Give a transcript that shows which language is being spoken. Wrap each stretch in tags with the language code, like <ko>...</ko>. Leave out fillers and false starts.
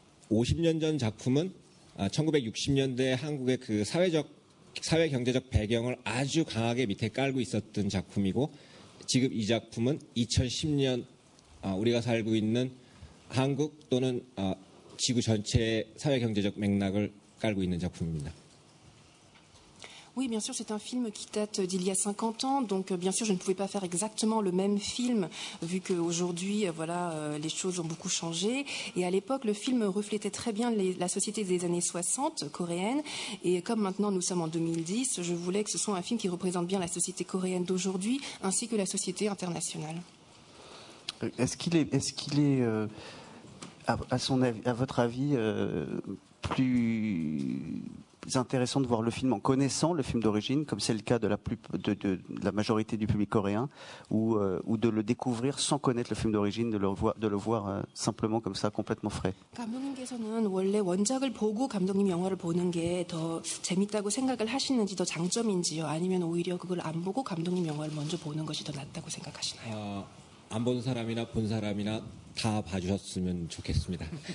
<ko>50년 전 작품은 1960년대 한국의 그 사회경제적 배경을 아주 강하게 밑에 깔고 있었던 작품이고 지금 이 작품은 2010년 우리가 살고 있는 한국 또는 지구 전체의 사회경제적 맥락을 깔고 있는 작품입니다.</ko> <fr>Oui, bien sûr, c'est un film qui date d'il y a 50 ans. Donc, bien sûr, je ne pouvais pas faire exactement le même film, vu qu'aujourd'hui, voilà, les choses ont beaucoup changé. Et à l'époque, le film reflétait très bien la société des années 60 coréenne. Et comme maintenant, nous sommes en 2010, je voulais que ce soit un film qui représente bien la société coréenne d'aujourd'hui, ainsi que la société internationale. Est-ce qu'il est, à votre avis, plus intéressant de voir le film en connaissant le film d'origine, comme c'est le cas de la majorité du public coréen, ou de le découvrir sans connaître le film d'origine, de le voir simplement comme ça, complètement frais?</fr> <ko>감독님께서는 원래 원작을 보고 감독님 영화를 보는 게 더 재밌다고 생각을 하시는지 더 장점인지요, 아니면 오히려 그걸 안 보고 감독님 영화를 먼저 보는 것이 더 낫다고 생각하시나요? 안 본 사람이나 본 사람이나 다 봐주셨으면 좋겠습니다.</ko>